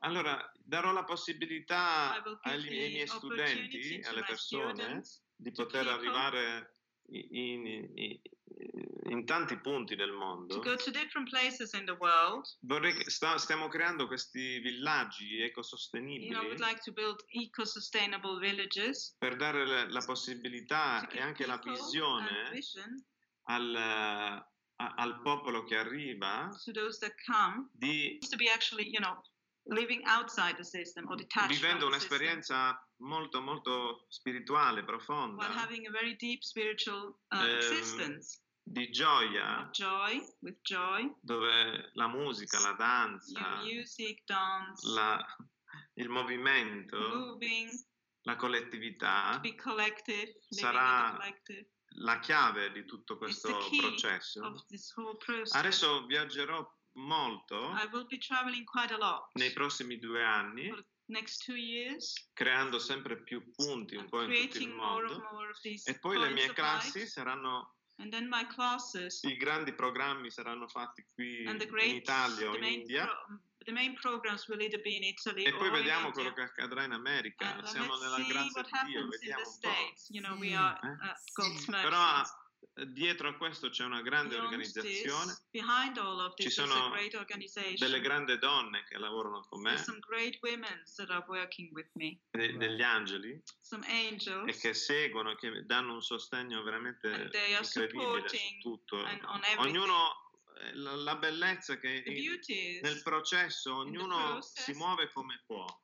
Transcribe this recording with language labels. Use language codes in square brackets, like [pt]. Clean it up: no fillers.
[it] Allora, darò la possibilità ai miei studenti, alle persone, di poter arrivare in tanti punti del mondo. [en] To go to different places in the world. [it] Stiamo creando questi villaggi ecosostenibili. [en] You know, we'd like to build eco-sustainable villages. [it] Per dare la possibilità e anche la visione al popolo che arriva, [en] to those that come, [it] di [en] to be actually, you know, living outside the system or detached. [it] Vivendo un'esperienza molto molto spirituale, profonda. [en] While having a very deep spiritual existence. [it] Di gioia. [en] Joy, with joy. [it] Dove la musica, la danza. [en] Music, dance. [it] Il movimento. [en] Moving. [it] La collettività. [en] To be collective. [it] Sarà la chiave di tutto questo processo. [en] Of this whole process. [it] Adesso viaggerò molto. [en] I will be traveling quite a lot. [it] Nei prossimi due anni. [en] Next 2 years, [it] creando sempre più punti un po' in tutto il mondo. E poi le mie classi saranno. [en] And then my classes. [it] I grandi programmi saranno fatti qui in Italia o in India. [en] The main programs will either be in Italy. [it] E poi vediamo quello che accadrà in America. Siamo nella grazia di Dio, vediamo un po'. [en] You know, we are God's mercy. [it] Però dietro a questo c'è una grande organizzazione. [en] Behind all of this, [it] ci sono delle grandi donne che lavorano con me. [en] Some great women that are working with me. [it] Degli angeli. [en] Some angels. [it] E che seguono, che danno un sostegno veramente incredibile su tutto. Ognuno, la bellezza che nel processo ognuno si muove come può.